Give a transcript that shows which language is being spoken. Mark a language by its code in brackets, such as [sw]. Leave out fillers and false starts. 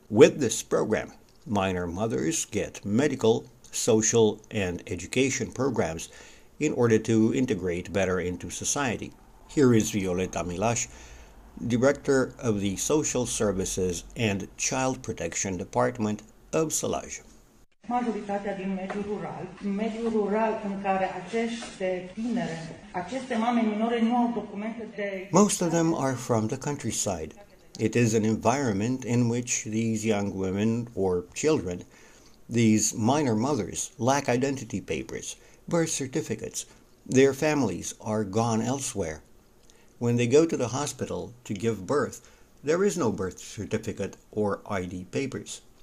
[en] With this program, minor mothers get medical, social, and education programs in order to integrate better into society. Here is Violeta Milaș, Director of the Social Services and Child Protection Department of Salaj. [ro] Majoritatea din mediul rural, mediul rural în care aceste tinere, aceste mame minore nu au documente de... [en] Most of them are from the countryside. It is an environment in which these young women or children, these minor mothers, lack identity papers, birth certificates. Their families are gone elsewhere. When they go to the hospital to give birth, there is no birth certificate or ID papers.